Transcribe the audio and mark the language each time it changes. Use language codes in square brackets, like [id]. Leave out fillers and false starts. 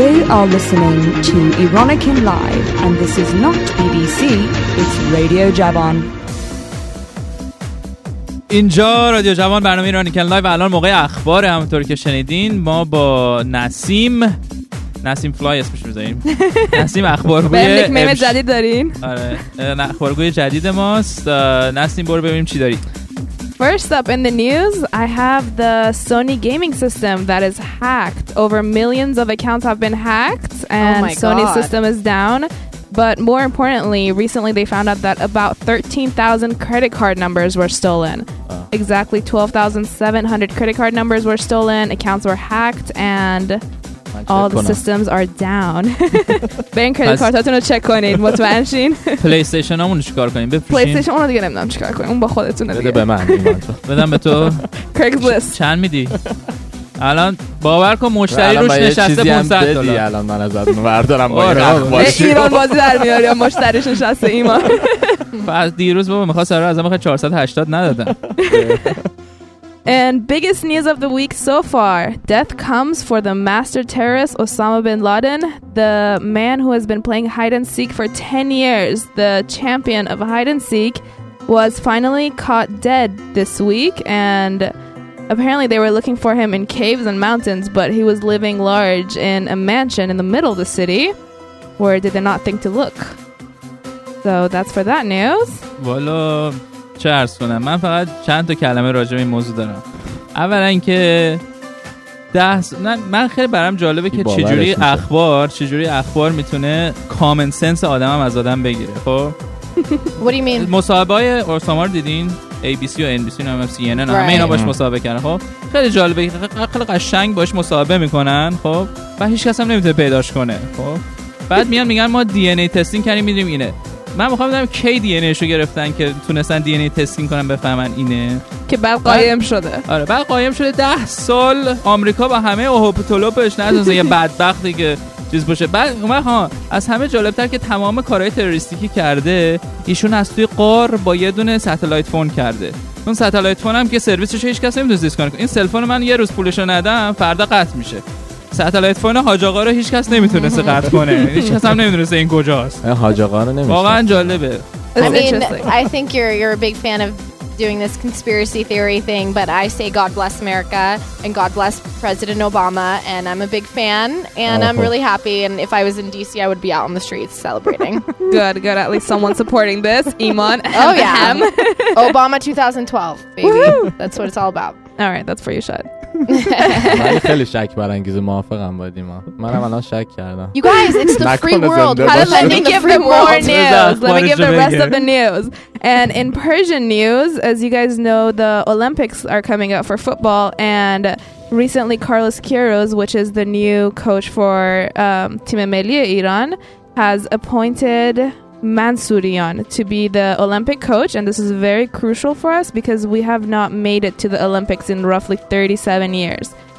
[en] are listening to Ironican Live and this is not BBC, it's Radio Javan. [fa] اینجا رادیو جوان، برنامه ایرانیکن لایو. الان موقع اخبار، همونطور که شنیدین ما با نسیم فلای اسمش رو بذاریم. نسیم اخبارگوی نیکنیم جدید داریم. آره، اخبارگوی جدید ماست. نسیم برو ببینیم چی داری. [en] First up in the news, I have the Sony gaming system that is hacked. Over millions of accounts have been hacked and oh my Sony God. System is down. But more importantly, recently they found out that about 13,000 credit card numbers were stolen. Exactly 12,700 credit card numbers were stolen, accounts were hacked, and All the systems are down. [fa] برین کردیت کارتاتون رو چک کنید مطمئن شین. پلی استیشن همون رو چیکار کنیم بفروشیم؟ پلی استیشن اون رو دیگه نمیدونم چیکار کنیم، اون با خودتونه دیگه. بده به من، بدم به تو. کریگز لیست چند میدی؟ الان باور کن مشتری روش نشسته 500 دلار. الان من ازت بردارم با ایران بازی. ایران بازی در میاری یا مشتریش نشسته ایمان. بعد دیروز بابا میخواست سر ازم 480 ندادن. [en] And biggest news of the week so far, death comes for the master terrorist Osama bin Laden, the man who has been playing hide and seek for 10 years, the champion of hide and seek, was finally caught dead this week, and apparently they were looking for him in caves and mountains, but he was living large in a mansion in the middle of the city, where did they not think to look? So that's for that news. [fr] Voilà. [fa] چه عرض کنم، من فقط چند تا کلمه راجع به این موضوع دارم. اولا اینکه من خیلی برام جالبه که چجوری اخبار میتونه کامن سنس آدم هم از آدم بگیره. خب [en] What do you mean؟ [fa] مصاحبه های اورساما رو دیدین؟ ABC و NBC و CNN همه اینا باش مصاحبه کردن. خب خیلی جالبه، خیلی قشنگ باش مصاحبه میکنن، خب و هیچ کس هم نمیتونه پیداش کنه. خب بعد میان میگن ما DNA تستینگ کردیم میدونیم اینه. من میخوام بدم کی دی ان ای شو گرفتن که تونستن دی ان ای تستینگ کنن بفهمن اینه، که بعد قایم شده. آره بعد قایم شده 10 سال آمریکا با همه اوهپتولوپش نازنین یه بدبختی که چیز باشه. بعد من ها از همه جالب تر که تمام کارهای تروریستی کرده ایشون از توی غار با یه دونه ساتلایت فون کرده. اون ساتلایت فون هم که سرویسش هیچ کس نمیدونه دیس کنه. این سلفون من یه روز پولشو ندم فردا قطع میشه. ساتلایت فون حاج آقا رو هیچ کس نمیتونسته قطع کنه. هیچ کس هم نمیدونسته این کجاست. حاج آقا رو نمیشه. واقعا جالبه. [en] I think you're a big fan of doing this conspiracy theory thing, but I say God bless America and God bless President Obama, and I'm a big fan and I'm really happy, and if I was in DC I would be out on the streets celebrating. good, at least someone supporting this. Iman. Oh yeah. Obama 2012, baby. That's what it's all about. All right, that's for you, Shad. [fa] من خیلی شک برانگیز موافقم با دیما. منم الان شک کردم. [en] You guys, it's the free world. Let me give them more news. Let me give the rest of the news. And in Persian news, as you guys know, the Olympics are coming up for football, and recently Carlos Queiroz, which is the new coach for Team Milli Iran, has appointed Mansourian to be the Olympic coach, and this is very crucial for us because we have not made it to the Olympics in roughly 37 years.